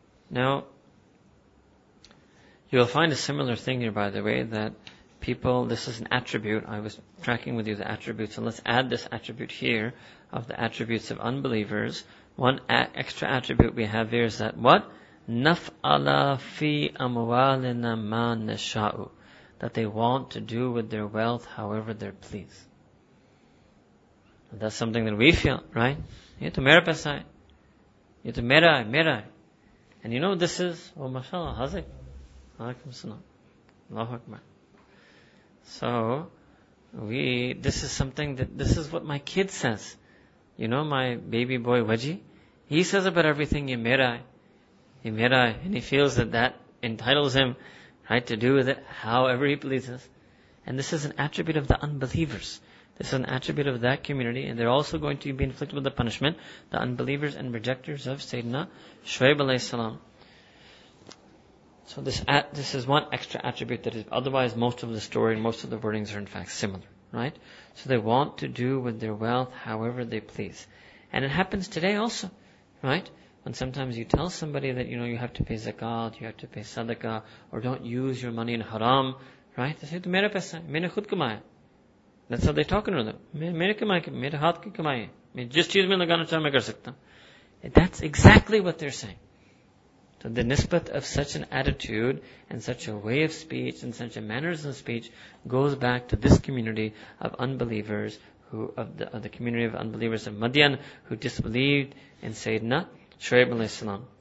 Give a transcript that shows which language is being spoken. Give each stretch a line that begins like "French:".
English: Now, you'll find a similar thing here, by the way, that people, this is an attribute, I was tracking with you the attributes, and let's add this attribute here, of the attributes of unbelievers. One extra attribute we have here is that what?
Arabic: نَفْعَلَ فِي أَمْوَالِنَا مَا نَشَاءُ,
English: that they want to do with their wealth however they're pleased. That's something that we feel, right?
Urdu: یہ تو میرا پیسہ ہے، یہ تو میرا ہے، میرا ہے۔
English: And you know this is, oh mashallah, hazik. Alaikum salam. Allahu akbar. So, this is something that, this is what my kid says. You know my baby boy Waji? He says about everything,
Urdu: یہ میرا ہے۔
English: And he feels that entitles him, right, to do with it however he pleases. And this is an attribute of the unbelievers. This is an attribute of that community, and they're also going to be inflicted with the punishment, the unbelievers and rejectors of Sayyidina Shu'aib alayhi salam. So this is one extra attribute that is, otherwise most of the story and most of the wordings are in fact similar, right? So they want to do with their wealth however they please. And it happens today also, right? And sometimes you tell somebody that, you know, you have to pay zakat, you have to pay sadaqah, or don't use your money in haram, right?
Urdu: They say, میرا پیسہ ہے، میں نے خود کمایا۔
English: That's how they talk to them.
Urdu: میں نے کمایا، میرے ہاتھ کی کمایا۔ میں جس چیز میں لگانا چاہتا ہوں میں کر سکتا۔
English: That's exactly what they're saying. So the nisbat of such an attitude and such a way of speech and such a manners of speech goes back to this community of unbelievers, of the community of unbelievers of Madian, who disbelieved in Sayyidina Shu'aib alayhi salam.